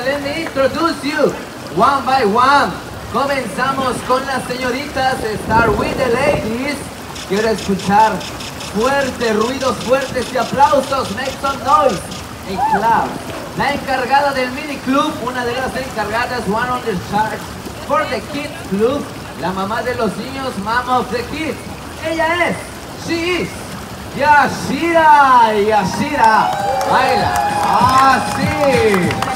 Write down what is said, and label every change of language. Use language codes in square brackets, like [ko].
[en] Let me introduce you one by one. [es] Comenzamos con las señoritas. [en] Start with the ladies. [es] Quiero escuchar fuertes ruidos, fuertes y aplausos. [en] Make some noise and clap. [es] La encargada del mini club, una de las encargadas, [en] one on the charge for the kids club, [es] la mamá de los niños, [en] mama of the kids. [es] Ella es, [en] she is [es] Yashira. Yashira, baila. ¡Ah, sí!